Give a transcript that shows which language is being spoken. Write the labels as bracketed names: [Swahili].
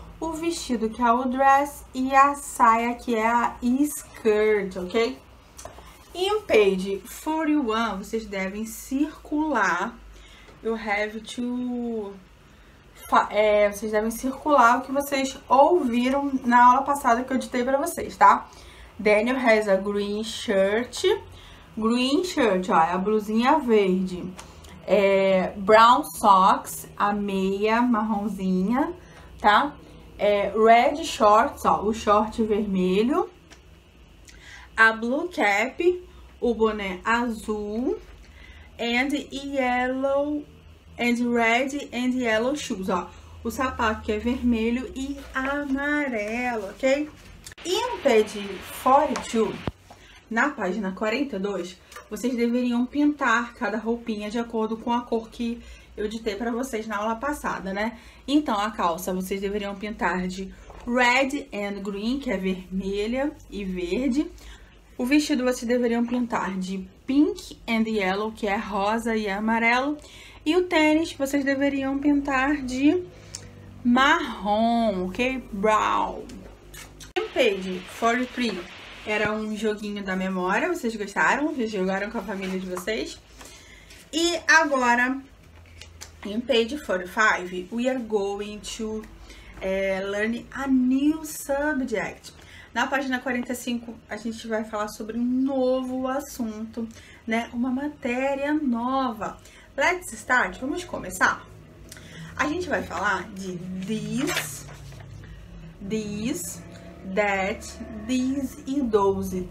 [Portuguese] O vestido, que é o dress. E a saia, que é a skirt, ok? Em [English] page 41, [Portuguese] vocês devem circular. [English] You have to... [Portuguese] vocês devem circular o que vocês ouviram na aula passada que eu ditei pra vocês, tá? [English] Daniel has a green shirt. Green shirt, [Portuguese] ó, é a blusinha verde. [English] Brown socks, [Portuguese] a meia marronzinha, tá? [English] Red shorts, [Portuguese] ó, o short vermelho. [English] A blue cap, [Portuguese] o boné azul. [English] And yellow, and red and yellow shoes, ó. [Portuguese] O sapato que é vermelho e amarelo, ok? [English] In page 42, [Portuguese] Na página 42, vocês deveriam pintar cada roupinha de acordo com a cor que eu ditei para vocês na aula passada, né? Então, a calça vocês deveriam pintar de [English] red and green, [Portuguese] que é vermelha e verde. O vestido vocês deveriam pintar de [English] pink and yellow, [Portuguese] que é rosa e amarelo. E o tênis vocês deveriam pintar de marrom, ok? Brown. [English] Page 43 [Portuguese] era um joguinho da memória. Vocês gostaram? Vocês jogaram com a família de vocês? E agora, em [English] page 45, we are going to learn a new subject. [Portuguese] Na página 45, a gente vai falar sobre um novo assunto, né? Uma matéria nova. [English] Let's start. [Portuguese] Vamos começar? A gente vai falar de this, that, these e those.